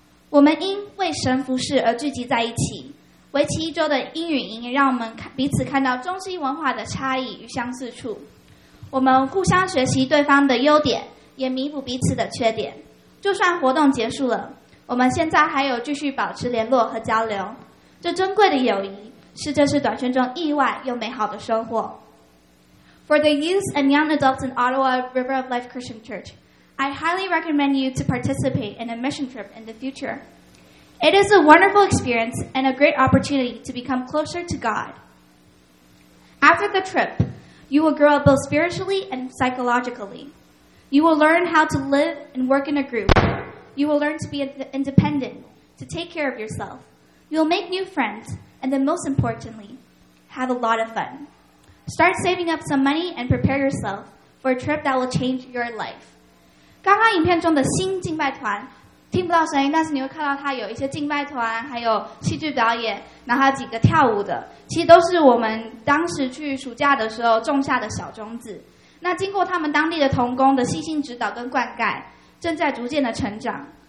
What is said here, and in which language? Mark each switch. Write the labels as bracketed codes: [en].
[zh] 我们因为神服事而聚集在一起，为期一周的英语营让我们彼此看到中西文化的差异与相似处。我们互相学习对方的优点，也弥补彼此的缺点。就算活动结束了，我们现在还有继续保持联络和交流。这珍贵的友谊是这次短宣中意外又美好的收获。 [en] For the youth and young adults in Ottawa River of Life Christian Church, I highly recommend you to participate in a mission trip in the future. It is a wonderful experience and a great opportunity to become closer to God. After the trip, you will grow up both spiritually and psychologically. You will learn how to live and work in a group. You will learn to be independent, to take care of yourself. You will make new friends, and then most importantly, have a lot of fun. Start saving up some money and prepare yourself for a trip that will change your life. [zh] 刚刚影片中的新敬拜团听不到声音，但是你会看到他有一些敬拜团，还有戏剧表演，然后几个跳舞的，其实都是我们当时去暑假的时候种下的小种子。那经过他们当地的同工的细心指导跟灌溉，正在逐渐的成长。